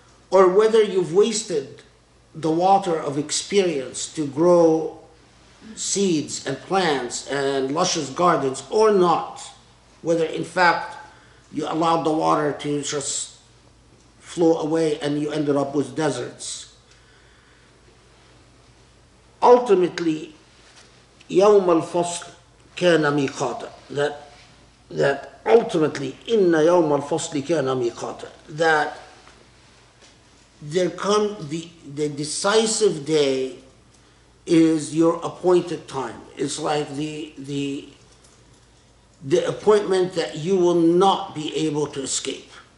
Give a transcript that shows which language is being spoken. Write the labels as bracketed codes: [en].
[en] or whether you've wasted the water of experience to grow seeds and plants and luscious gardens or not, whether in fact you allowed the water to just flow away and you ended up with deserts. ultimately, [ar] يوم الفصل كان ميقاتا. [en] That ultimately, [ar] إن يوم الفصل كان ميقاتا. [en] That there come the decisive day is your appointed time. It's like the appointment that you will not be able to escape.